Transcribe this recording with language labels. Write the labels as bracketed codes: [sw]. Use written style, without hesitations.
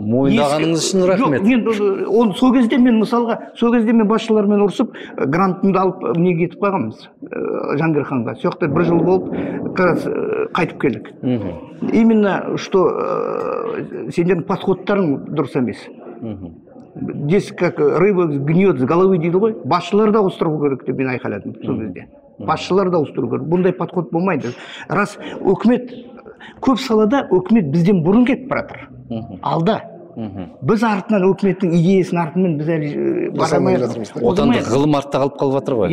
[kk] Мойындағаныңыз үшін рахмет. Жоқ, мен ол сол кезде мен мысалға сол кезде мен басшылармен ұрысып грантымды алып не кетіп қалғанбыз Жангирханға. Сол жақта бір жыл болып қайтып келдік. [ru] Именно что [kk] сендердің подходтарың дұрыс емес. [ru] Здесь как рыба гниет с головы, [kk] дейді ғой. Басшылар да ауыстыру керек деп мен айқайладым сол кезде. Басшылар да ауыстыру керек. Бұндай подход болмайды. Рас, үкімет көп салада үкімет бізден бұрын кетіп баратыр. Алда. Біз артынан үкіметтің идеясын артынан біз әлі барамай. Отандық ғылым артта қалып жатыр ғой.